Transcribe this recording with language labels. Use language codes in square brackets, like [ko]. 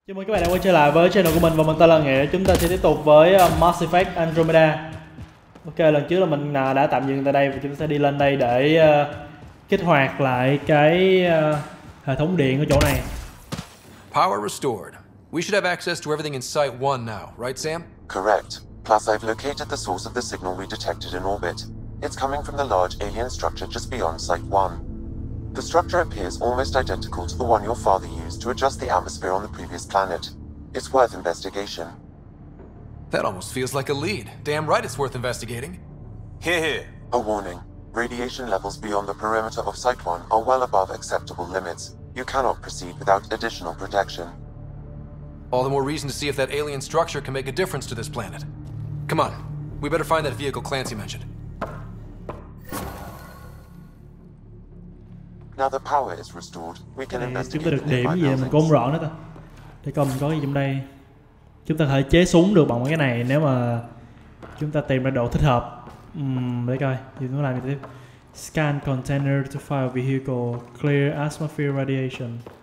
[vi] Chào mừng các bạn đã quay trở lại với channel của mình và mình tên là Nghĩa. Chúng ta sẽ tiếp tục với Mass Effect Andromeda. Ok, lần trước là mình đã tạm dừng tại đây và chúng ta sẽ đi lên đây để kích hoạt lại cái hệ thống điện ở chỗ này. [en] Power restored. We should have access to everything in Site 1 now, right Sam? Correct. Plus I've located the source of the signal we detected in orbit. It's coming from the large alien structure just beyond Site 1. The structure appears almost identical to the one your father used to adjust the atmosphere on the previous planet. It's worth investigation. That almost feels like a lead. Damn right it's worth investigating. Hehe. A warning. Radiation levels beyond the perimeter of Site 1 are well above acceptable limits. You cannot proceed without additional protection. All the more reason to see if that alien structure can make a difference to this planet. Come on. We better find that vehicle Clancy mentioned. Now the power is restored. We can investigate. [vi] Chúng ta được điểm gì mình không rõ nữa ta. Để coi mình có gì trong đây. Chúng ta có thể chế súng được bằng cái này nếu mà chúng ta tìm ra độ thích hợp. Để coi, thì chúng ta làm gì tiếp. [en] Scan container to fire vehicle, clear atmosphere radiation.